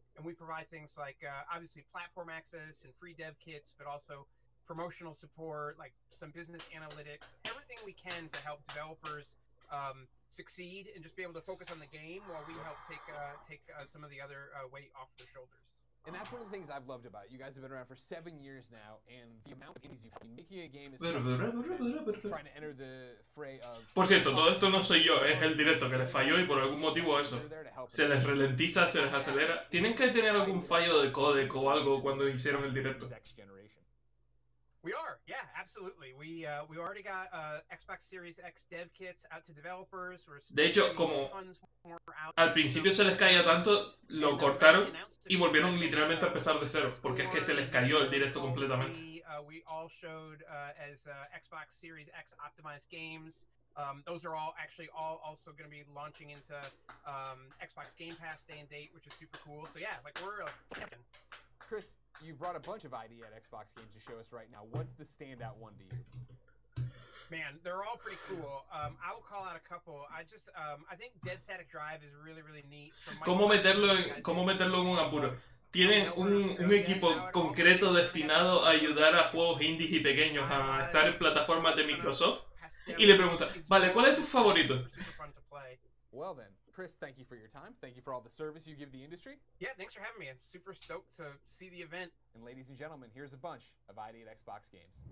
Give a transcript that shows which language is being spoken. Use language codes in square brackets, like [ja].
[en] And we provide things like, obviously, platform access and free dev kits, but also promotional support, like some business analytics, everything we can to help developers succeed and just be able to focus on the game while we help take some of the other weight off their shoulders. And that's one of the things I've loved about it. You guys have been around for 7 years now, and the amount of indies you've been making a game is trying to enter the fray of... [es] Por cierto, todo esto no soy yo, es el directo que les falló y por algún motivo eso. Se les ralentiza, se les acelera. Tienen que tener algún fallo de codec o algo cuando hicieron el directo. [en] We are, yeah, absolutely. We already got Xbox Series X dev kits out to developers. [es] De hecho, como al principio se les caía tanto, lo cortaron y volvieron literalmente a empezar de cero, porque es que se les cayó el directo completamente. [en] We all showed as Xbox Series X optimized games. Those are all actually all also going to be launching into Xbox Game Pass day and date, which is super cool. So yeah, like we're champion. Chris, you brought a bunch of ID at Xbox games to show us right now. What's the standout one to you? Man, they're all pretty cool. I will call out a couple. I think Dead Static Drive is really, really neat. [es] ¿Cómo meterlo en un apuro? Tienen un equipo concreto destinado a ayudar a juegos indies y pequeños a estar en plataformas de Microsoft. Y le preguntan, vale, ¿cuál es tu favorito? [en] Well then. Chris, thank you for your time. Thank you for all the service you give the industry. Yeah, thanks for having me. I'm super stoked to see the event. And ladies and gentlemen, here's a bunch of ID at Xbox games.